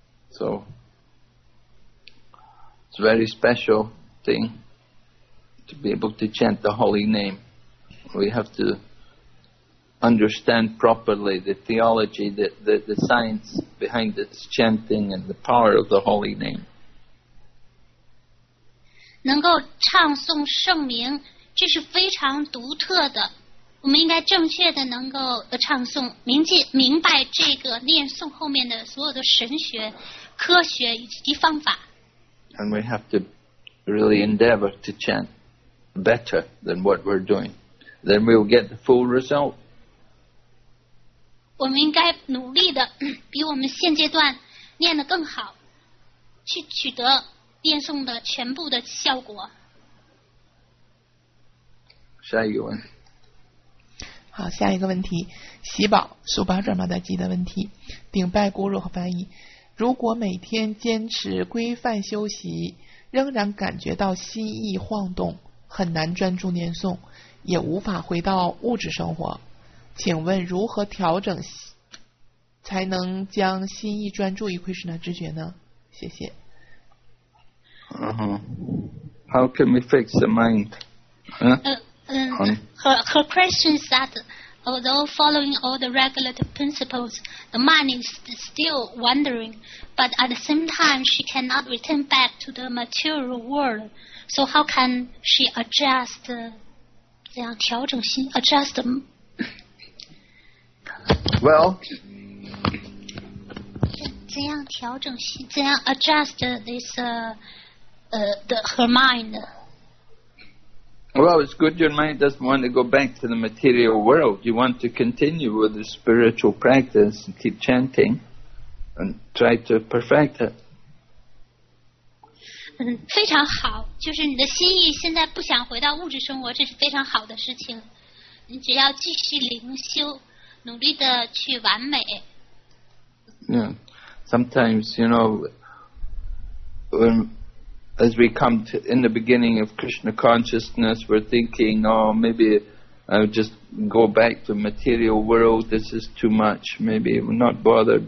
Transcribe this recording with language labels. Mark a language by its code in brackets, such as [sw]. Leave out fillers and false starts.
[en] So, it's a very special thing to be able to chant the holy name. We have to understand properly the theology, the science behind this chanting and the power of the holy name. [zh] 能够唱诵圣名，这是非常独特的。我们应该正确的能够唱诵，明白这个念诵后面的所有的神学、科学以及方法。 And we have to really endeavor to chant better than what we're doing. Then we'll get the full result. 我们应该努力的比我们现阶段念得更好，去取得念诵的全部的效果。下一个问题。好，下一个问题，喜宝苏巴扎玛达基的问题，顶拜咕噜和翻译。如果每天坚持规范修习，仍然感觉到心意晃动，很难专注念诵，也无法回到物质生活，请问如何调整才能将心意专注于 Krishna 知觉呢？谢谢。 [en] Uh-huh. How can we fix the mind? Her question is that although following all the regulative principles, the mind is still wandering, but at the same time, she cannot return back to the material world. So how can she adjust, [zh] 调整心, [en] adjust them? Well, [zh] 怎样调整心, 怎样 [en] adjust this, her mind? Well, it's good your mind doesn't want to go back to the material world. You want to continue with the spiritual practice and keep chanting and try to perfect it. [zh] 非常好, 就是你的心意现在不想回到物质生活, 这是非常好的事情, 你只要继续灵修, 努力地去完美。 [en] Yeah, sometimes, you know, when as we come to in the beginning of Krishna consciousness, we're thinking, oh, maybe I'll just go back to material world, this is too much, maybe I'm not bothered.